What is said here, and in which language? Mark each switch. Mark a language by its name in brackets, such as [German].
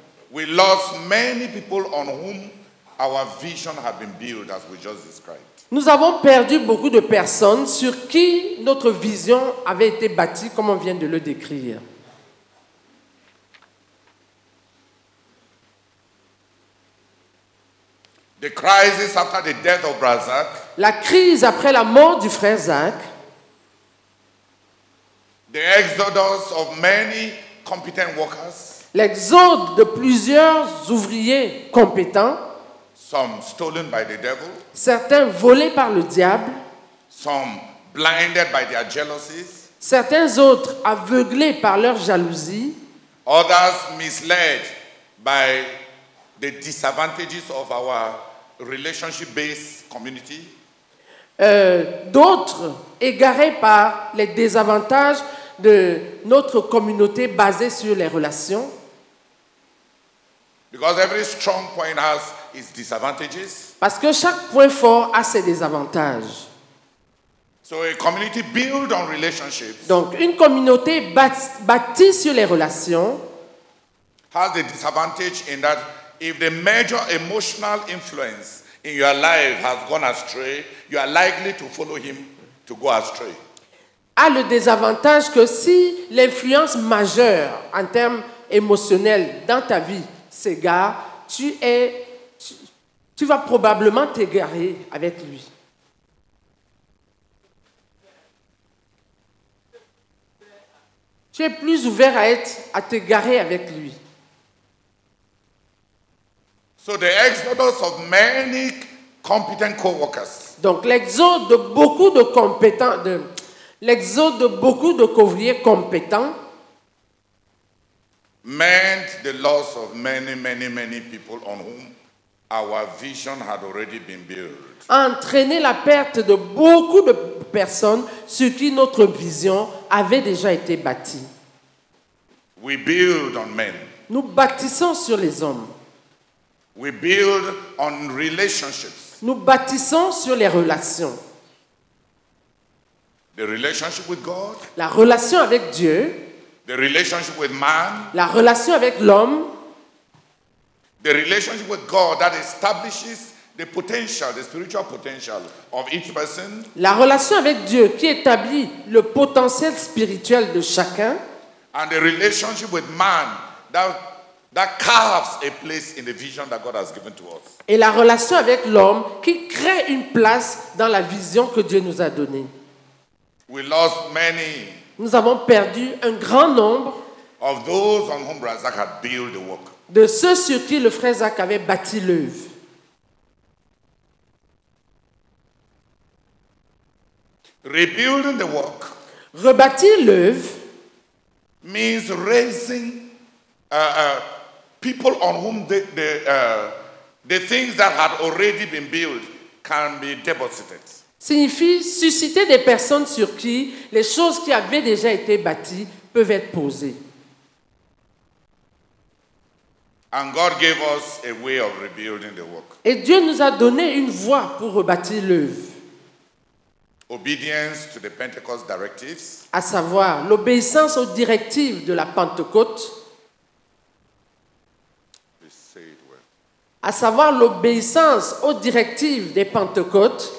[English] We lost many people on whom our vision had been built, as we just described. [French] Nous avons perdu beaucoup de personnes sur qui notre vision avait été bâtie, comme on vient de le décrire. [English] The crisis after the death of Brother Zach, [French] la crise après la mort du frère Zach, [English] the exodus of many competent workers, [French] l'exode de plusieurs ouvriers compétents. [English] Some stolen by the devil. [French] Certains volés par le diable. [English] Some blinded by their jealousies. [French] Certains autres aveuglés par leur jalousie. [English] Others misled by the disadvantages of our relationship-based community. [French] D'autres égarés par les désavantages de notre communauté basée sur les relations. [English] Because every strong point has its disadvantages. [French] Parce que chaque point fort a ses désavantages. [English] So a community built on relationships. [French] Donc une communauté bâtie sur les relations [English] has the disadvantage in that if the major emotional influence in your life has gone astray, you are likely to follow him to go astray. [French] A le désavantage que si l'influence majeure en termes émotionnels dans ta vie s'égare, tu vas probablement t'égarer avec lui. Tu es plus ouvert à t'égarer avec lui. [English] So the exodus of many competent co-workers. [French] Donc l'exode de beaucoup de compétents, l'exode de beaucoup de co-ouvriers compétents [English] meant the loss of many, many, many people on whom our vision had already been built. [French] Entraîné la perte de beaucoup de personnes sur qui notre vision avait déjà été bâtie. [English] We build on men. [French] Nous bâtissons sur les hommes. [English] We build on relationships. [French] Nous bâtissons sur les relations. [English] The relationship with God. [French] La relation avec Dieu. [English] The relationship with man. [French] La relation avec l'homme. [English] The relationship with God that establishes the potential, the spiritual potential of each person. [French] La relation avec Dieu qui établit le potentiel spirituel de chacun. [English] And the relationship with man that carves a place in the vision that God has given to us. [French] Et la relation avec l'homme qui crée une place dans la vision que Dieu nous a donnée. [English] We lost many. [French] Nous avons perdu un grand nombre [English] of those on whom Brother Zach had built the work. [French] De ceux sur qui le frère Zach avait bâti l'œuvre. [English] Rebuilding the work. [French] Rebâtir l'œuvre [English] means raising people on whom the things that had already been built can be deposited. [French] Signifie susciter des personnes sur qui les choses qui avaient déjà été bâties peuvent être posées. [English] And God gave us a way of rebuilding the work. [French] Et Dieu nous a donné une voie pour rebâtir l'œuvre. [English] Obedience to the Pentecost directives. [French] À savoir l'obéissance aux directives de la Pentecôte. À savoir l'obéissance aux directives des Pentecôtes